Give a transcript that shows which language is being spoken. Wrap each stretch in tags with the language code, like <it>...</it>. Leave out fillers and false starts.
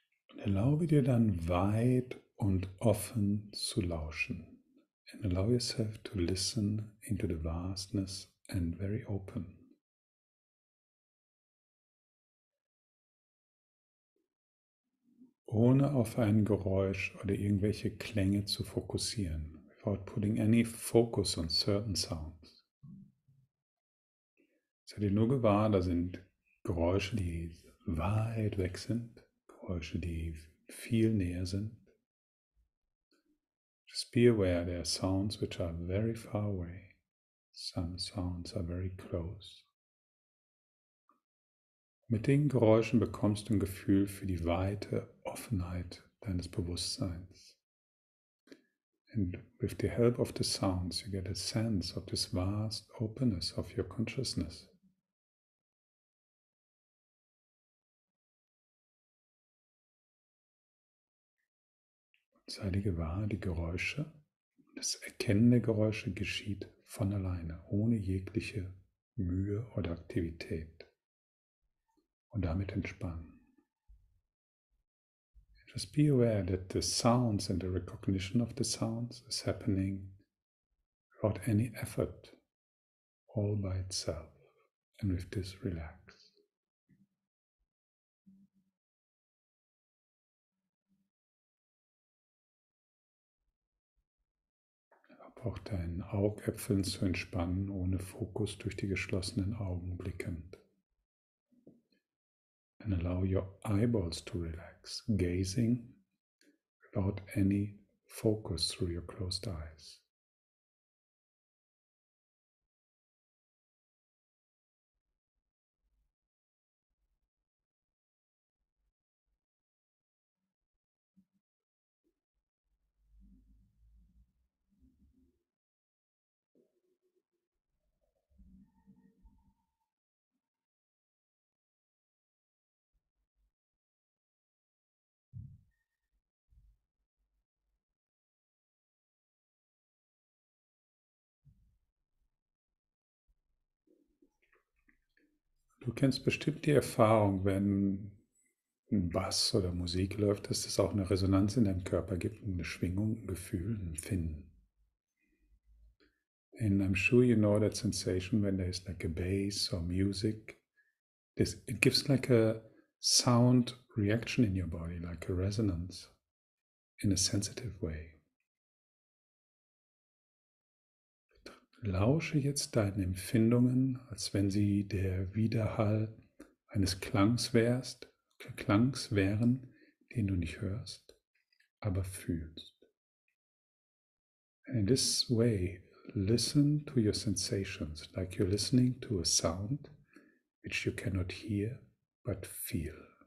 <de>Und erlaube dir dann weit und offen zu lauschen.</de> <en>And allow yourself to listen into the vastness and very open.</en> <de>Ohne auf ein Geräusch oder irgendwelche Klänge zu fokussieren.</de> <en>Without putting any focus on certain sounds.</en> <de>Seid ihr nur gewahr, da sind Geräusche, die weit weg sind. Geräusche, die viel näher sind.</de> <en>Just be aware, there are sounds which are very far away. Some sounds are very close.</en> <de>Mit den Geräuschen bekommst du ein Gefühl für die weite Offenheit deines Bewusstseins.</de> <en>And with the help of the sounds, you get a sense of this vast openness of your consciousness.</en> <de>Das heilige Wahr, die Geräusche, das Erkennen der Geräusche geschieht von alleine, ohne jegliche Mühe oder Aktivität. Und damit entspannen.</de> <en>Just be aware that the sounds and the recognition of the sounds is happening without any effort, all by itself. And with this, relax.</en> <de>Auch deinen Augäpfeln zu entspannen, ohne Fokus durch die geschlossenen Augen blickend.</de> <en>And allow your eyeballs to relax, gazing without any focus through your closed eyes.</en> <de>Du kennst bestimmt die Erfahrung, wenn ein Bass oder Musik läuft, dass es auch eine Resonanz in deinem Körper gibt, eine Schwingung, ein Gefühl, ein Empfinden.</de> <en>And I'm sure you know that sensation when there is like a bass or music. This, it gives like a sound reaction in your body, like a resonance in a sensitive way.</en> <de>Lausche jetzt deinen Empfindungen, als wenn sie der Widerhall eines Klangs wären, den du nicht hörst, aber fühlst.</de> <en>In this way, listen to your sensations, like you're listening to a sound, which you cannot hear, but feel.</en>